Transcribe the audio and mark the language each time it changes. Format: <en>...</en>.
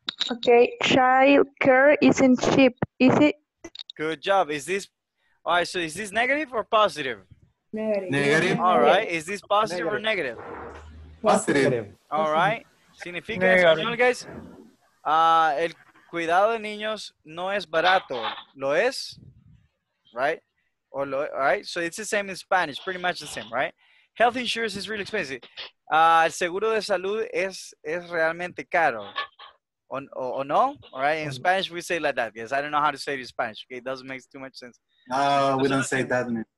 <en>Okay, child care isn't cheap, is it? Good job. Is this, all right, so is this negative or positive? Negative. All right, is this positive negative. Or negative? Positive. All right,</en> <es>significa español,</es> <en>guys?</en> <es>El cuidado de niños no es barato, lo es, right?</es> <en>All right, so it's the same in Spanish, pretty much the same, right? Health insurance is really expensive.</en> <es>El seguro de salud es realmente caro.</es> <en>Or no, all right? In Spanish, we say like that. Yes, I don't know how to say it in Spanish. Okay, it doesn't make too much sense. No, we don't say that. Man.</en>